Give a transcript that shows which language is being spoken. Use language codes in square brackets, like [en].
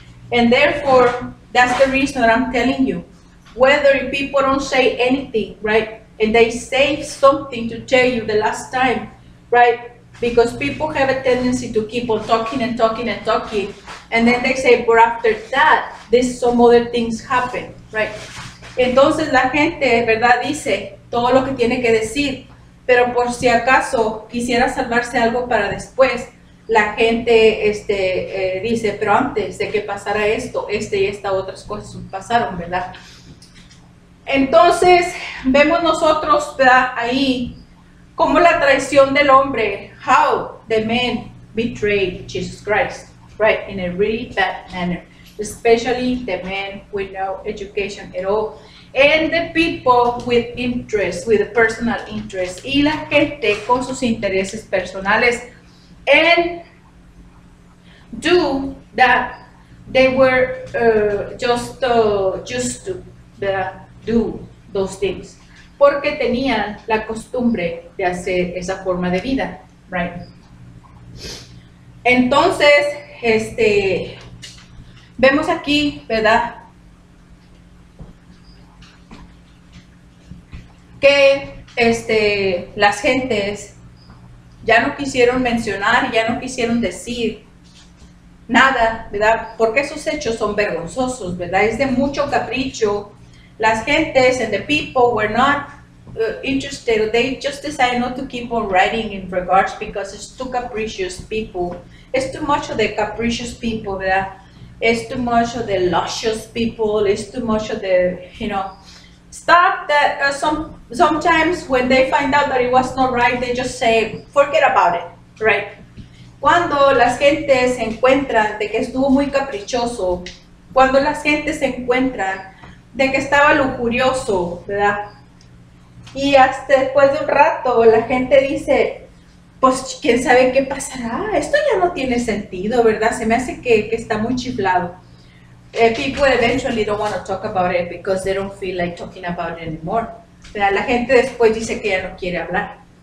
[en] And therefore, that's the reason that I'm telling you. Whether people don't say anything, right? And they say something to tell you the last time, right? Because people have a tendency to keep on talking and talking and talking. And then they say, but after that, this some other things happen, right? [es] Entonces la gente, ¿verdad? Dice todo lo que tiene que decir. Pero por si acaso quisiera salvarse algo para después, la gente dice, pero antes de que pasara esto, y estas otras cosas pasaron, ¿verdad? Entonces, vemos nosotros, ¿verdad? Ahí, cómo la traición del hombre, [en] how the man betrayed Jesus Christ, right? In a really bad manner, especially the man with no education at all. And the people with interest, with a personal interest. [es] Y la gente con sus intereses personales. [en] And do that, they were just to do those things. [es] Porque tenían la costumbre de hacer esa forma de vida, right? Entonces, vemos aquí, ¿verdad? Que las gentes ya no quisieron mencionar, ya no quisieron decir nada, ¿verdad? Porque esos hechos son vergonzosos, ¿verdad? Es de mucho capricho. Las gentes [en] and the people were not interested. They just decided not to keep on writing in regards because it's too capricious people. It's too much of the capricious people, ¿verdad? It's too much of the luscious people. It's too much of the, you know, stop that. Sometimes when they find out that it was not right, they just say, forget about it, right? [es] Cuando las gentes encuentran de que estuvo muy caprichoso, cuando las gentes encuentran de que estaba lujurioso, ¿verdad? Y hasta después de un rato la gente dice, pues quién sabe qué pasará, esto ya no tiene sentido, ¿verdad? Se me hace que está muy chiflado. [en] People eventually don't want to talk about it because they don't feel like talking about it anymore. [es] ¿Verdad? La gente después dice que ya no quiere hablar.